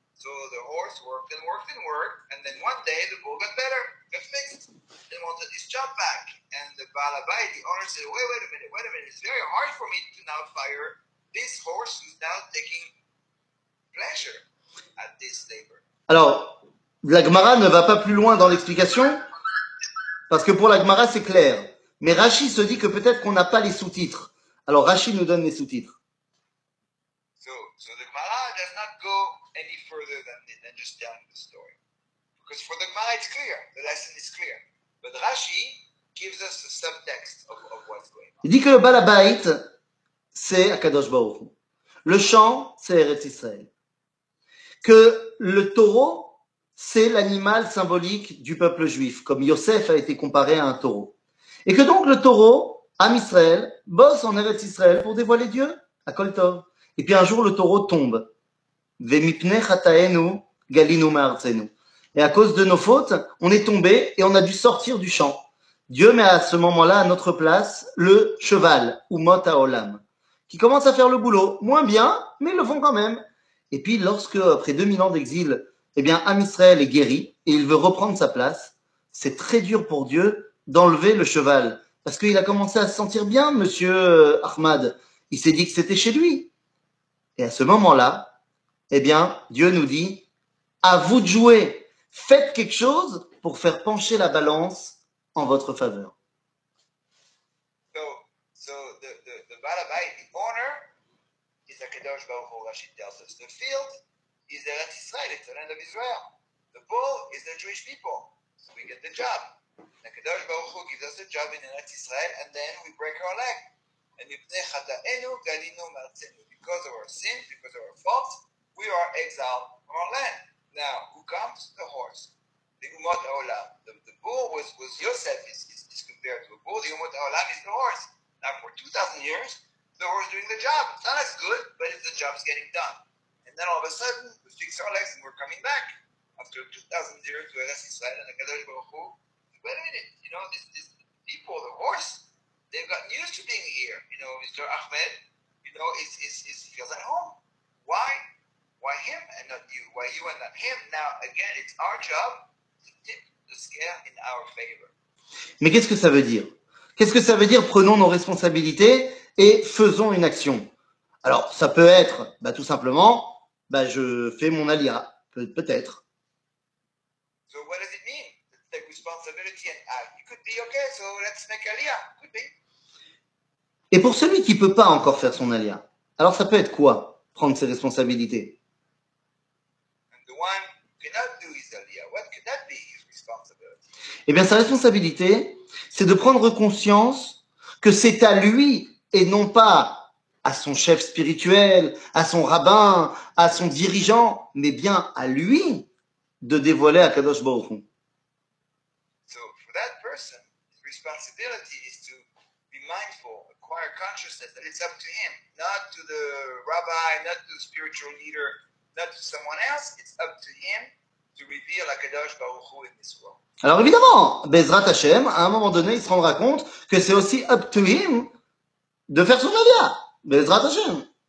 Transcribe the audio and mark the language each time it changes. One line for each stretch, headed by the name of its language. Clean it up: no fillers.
English: So the horse worked and worked and worked, and then one day, the bull got better, got fixed, and wanted his job back. And the Baal HaBayit, the owner said, wait a minute, it's very hard for me to now fire this horse who's now taking pleasure at this labor.
French: Alors, la Gemara ne va pas plus loin dans l'explication, parce que pour la Gemara, c'est clair. Mais Rashi se dit que peut-être qu'on n'a pas les sous-titres. Alors, Rashi nous donne les sous-titres.
English: So the Gemara does not go any further than just telling the story. Because for the Gemara, it's clear. The lesson is clear. But Rashi gives us the subtext of what's going on.
French: Il dit que le Baal HaBayit, c'est Akadosh Baruch Hu. Le champ, c'est Eretz Israël. Que le taureau, c'est l'animal symbolique du peuple juif, comme Yosef a été comparé à un taureau. Et que donc le taureau, Am Israël, bosse en Eretz Israël pour dévoiler Dieu, à Kol Tov. Et puis un jour, le taureau tombe.
Hebrew: Vemipne chataenu galinu me'artzenu.
French: Et à cause de nos fautes, on est tombé et on a dû sortir du champ. Dieu met à ce moment-là à notre place le cheval, ou mot haolam, qui commence à faire le boulot, moins bien, mais ils le font quand même. Et puis, lorsque, après 2000 ans d'exil, eh bien, Am Israël est guéri et il veut reprendre sa place, c'est très dur pour Dieu d'enlever le cheval Parce qu'il a commencé à se sentir bien, monsieur Ahmad. Il s'est dit que c'était chez lui. Et à ce moment-là, eh bien, Dieu nous dit, à vous de jouer. Faites quelque chose pour faire pencher la balance en votre faveur.
English: So the Baal HaBayit, the owner, is a Kadosh Baruch Hu, Rashi tells us. The field is the Eretz Israel, it's the land of Israel. The bull is the Jewish people. So we get the job. The Kadosh Baruch Hu gives us a job in Eretz Israel, and then we break our leg. And
Hebrew: Ibnei Chataenu Galinu Marzenu.
English: Because of our sin, because of our fault, we are exiled from our land. Now, who comes? The horse. The Umot HaOlam. The bull was Yosef, is compared to a bull. The Umot HaOlam is the horse. Now, for 2,000 years, the horse is doing the job. It's not as good, but it's the job's getting done. And then all of a sudden, we fix our legs and we're coming back. After 2,000 years, we're Eretz Yisrael and the Kadosh Baruch Hu. Wait a minute, you know, these people, the horse, they've gotten used to being here. You know, Mr. Ahmed, you know, he feels at home. Why him and not you? Why you and not him? Now, again, it's our job to tip the scale in our favor.
French: Mais qu'est-ce que ça veut dire? Qu'est-ce que ça veut dire? Prenons nos responsabilités et faisons une action. Alors, ça peut être, bah, tout simplement, bah, je fais mon alia, peut-être.
English: So what does it mean? Take responsibility and act. It could be okay, so let's make alia. Could be.
French: Et pour celui qui ne peut pas encore faire son alia, alors ça peut être quoi, prendre ses responsabilités?
English: And the one who cannot do his alia, what could that be, his responsibility?
French: Eh bien, sa responsabilité, c'est de prendre conscience que c'est à lui et non pas à son chef spirituel, à son rabbin, à son dirigeant, mais bien à lui de dévoiler à Kadosh Baruch Hu.
English: So for that person, his responsibility is to be mindful, acquire consciousness that it's up to him, not to the rabbi, not to the spiritual leader, not to someone else, it's up to him to reveal a Kadosh Baruch Hu in this world.
French: Alors évidemment, Bezrat Hashem, à un moment donné, il se rendra compte que c'est aussi
English: up to him
French: de faire son alia. Bezrat Hashem.